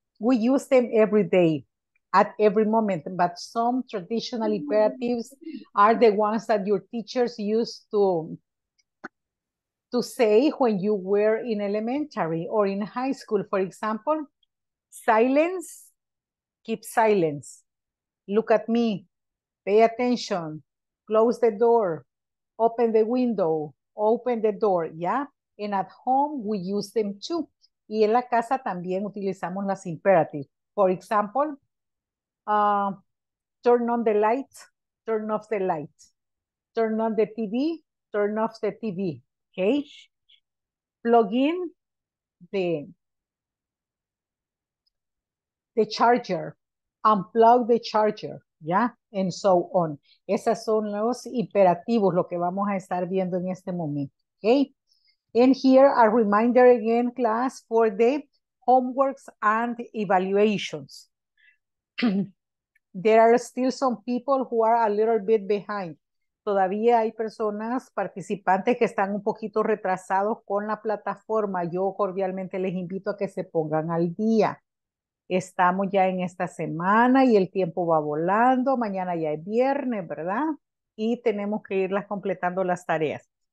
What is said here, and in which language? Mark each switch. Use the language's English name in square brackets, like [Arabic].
[English] We use them every day, at every moment, but some traditional imperatives are the ones that your teachers used to say when you were in elementary or in high school. For example, silence, keep silence. Look at me, pay attention, close the door, open the window, open the door, yeah? And at home, we use them too. [Spanish] Y en la casa también utilizamos las imperatives. [English] For example, turn on the light, turn off the light. Turn on the TV, turn off the TV. Okay? Plug in the charger, unplug the charger, yeah? And so on. [Spanish] Esos son los imperativos, lo que vamos a estar viendo en este momento. [English] Okay? And here, a reminder again, class, for the homeworks and evaluations. There are still some people who are a little bit behind. [Spanish] Todavía hay personas, participantes, que están un poquito retrasados con la plataforma. Yo cordialmente les invito a que se pongan al día. Estamos ya en esta semana y el tiempo va volando. Mañana ya es viernes, ¿verdad? Y tenemos que irlas completando las tareas.